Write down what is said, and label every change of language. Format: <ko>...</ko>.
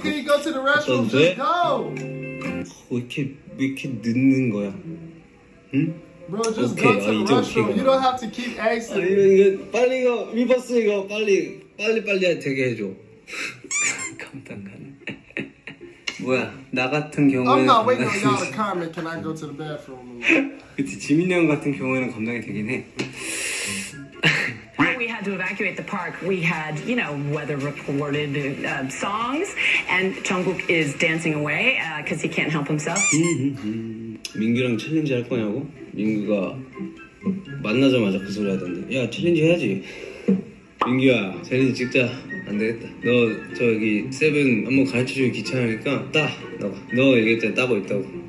<en>Can he go to the restroom? Just go.</en> <ko>왜 이렇게 늦는 거야? 응?</ko> <en>Bro, just okay, go to the restroom. Okay. You don't have to keep asking.</en> <ko>이거 빨리 이거 위버스 이거 빨리 되게 해줘. 감탄간. 뭐야? 나 같은 경우에는</ko> <en>I'm not waiting on y'all to comment. Can I go to the bathroom?</en> <ko>그치 지민이 형 같은 경우에는 감당이 되긴 해.</ko> <en>We had to evacuate the park. We had, you know, weather reported songs, and Jungkook is dancing away because he can't help himself.</en> <ko>민규랑 챌린지 할 거냐고? 민규가 만나자마자 그 소리 하던데. 야 챌린지 해야지. 민규야 챌린지 찍자. 안 되겠다. 너 저기 세븐 한번 가르쳐 주기 귀찮으니까 따. 너 얘기할 때 따고 있다고.</ko>